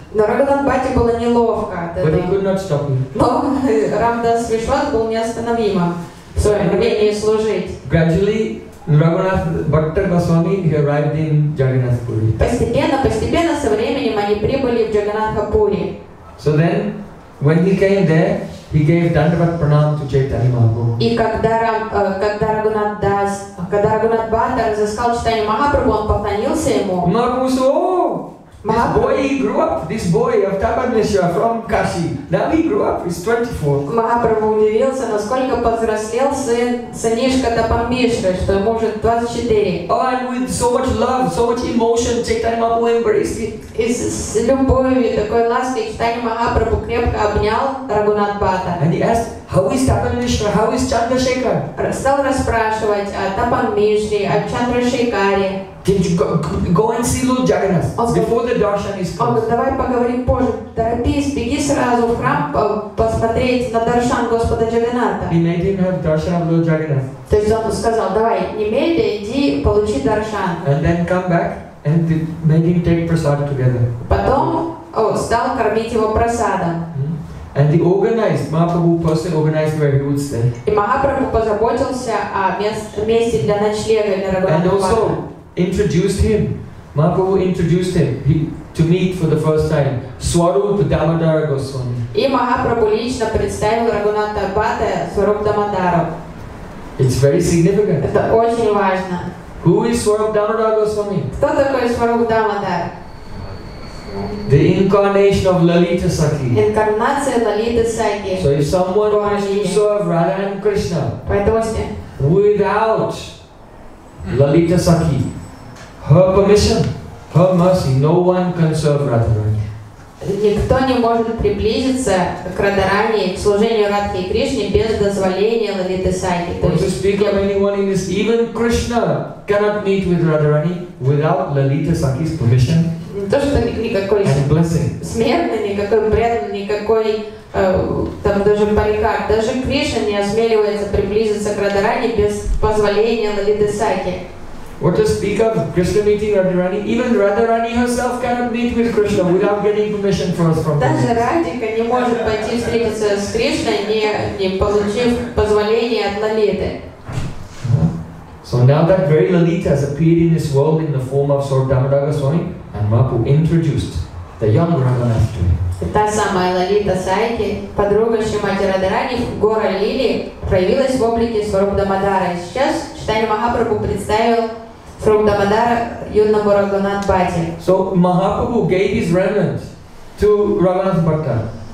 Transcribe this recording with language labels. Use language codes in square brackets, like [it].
[ru] Но Рагунат Бате было неловко. [en] But he could not stop him. [ru] Но Рамдас Вишвас был неостановимо в своем умении служить. [en] Gradually, Raghunath Bhatta Goswami arrived in Jagannath Puri. [ru] Постепенно со временем они прибыли в Джаганнатха Пури. [en] So then, when he came there, he gave dandavat pranam to Chaitanya Mahaprabhu. [ru] И когда Рагунат Дас, когда Рагунат Бхатта разыскал Чайтанья Махапрабху, он поклонился ему. [en] Махапрабху said, "Oh, this boy grew up. This boy of Tapanesha from Kashi. Now he grew up. He's 24." [ru] Махапрабху удивился, насколько повзрослел сынишка Тапанмишра, что ему уже 24. [en] Oh, and with so much love, so much emotion, Chaitanya Mahaprabhu embraced him. [ru] И с любовью, такой лаской, Чайтанья Махапрабху крепко обнял Рагунат Бхатта. [en] And he asked, "How is Tapanmishra? How is Chandrasekhar?" [ru] Стал расспрашивать о Тапанмишре, о Чандрашекаре. [en] Did you go and see Lord Jagannath before the darshan is closed? [ru] Он говорит, давай поговорим позже. Торопись, беги сразу в храм посмотреть на даршан Господа Джаганнатха. [en] He made him have darshan of Lord Jagannath. [ru] То есть он сказал, давай, немедленно иди получи даршан. [en] And then come back and made him take prasad together. [ru] Потом стал кормить его прасадом. [en] And he organized, Mahaprabhu personally organized where he would stay. [ru] И Махапрабху позаботился о месте для ночлега для Рагунатха. [en] Introduced him. Mahaprabhu introduced him to meet for the first time Swarup Damodara Goswami. [ru] И Махапрабху лично представил Рагунатха Бхатта Swarup Damodara. [en] It's very significant. [ru] Это очень важно. [en] Who is Swarup Damodara Goswami? [ru] Кто такой Swarup Damodara? [en] The incarnation of Lalita Sakhi. [ru] Incarnация Lalita Sakhi. [en] So if someone wants to serve Radha and Krishna without Lalita Sakhi, her permission, her mercy, no one can serve Radharani. [ru] Никто не может приблизиться к Радхарани, к служению Радхе и Кришне без дозволения Лалиты Сакхи. [en] To speak of anyone in this, even Krishna cannot meet with Radharani without Lalita Sakhi's permission. [ru] Не то, что никакой смертный, никакой преданный, никакой там даже парикар, даже Кришна не осмеливается приблизиться к Радхарани без позволения Лалиты Сакхи. [en] What to speak of Krishna meeting Radharani? Even Radharani herself cannot meet with Krishna without getting permission first from Him. [ru] Даже Радика не может пойти встретиться с Кришной, не получив позволение от Лалиты. [en] So now that very Lalita has appeared in this world in the form of Swarup Damodara Goswami, and Mahaprabhu introduced the young Raghunath to him. [ru] Та самая Лалита Сайки, подруга Шримати Радхарани, гора лилии, проявилась в облике Swarup Damodara. И сейчас Чайтанья Махапрабху представил Swarup Damodara юного Рагунат Бхатте. [en] So Mahaprabhu gave his remnant to Raghunath Bhatta.